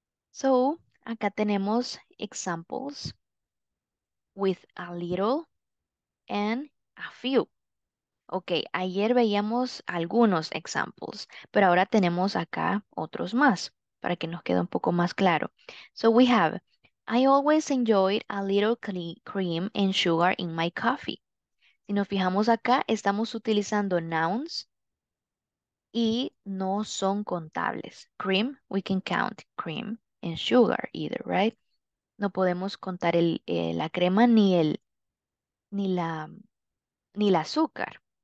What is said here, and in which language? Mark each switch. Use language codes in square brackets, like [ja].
[en] So, [es] acá tenemos [en] examples with a little and a few. [es] Ok, ayer veíamos algunos examples, pero ahora tenemos acá otros más para que nos quede un poco más claro. [en] So, we have I always enjoyed a little cream and sugar in my coffee. [es] Si nos fijamos acá, estamos utilizando nouns y no son contables. [en] Cream, we can count cream and sugar either, right? [es] No podemos contar la crema ni el ni la ni el azúcar.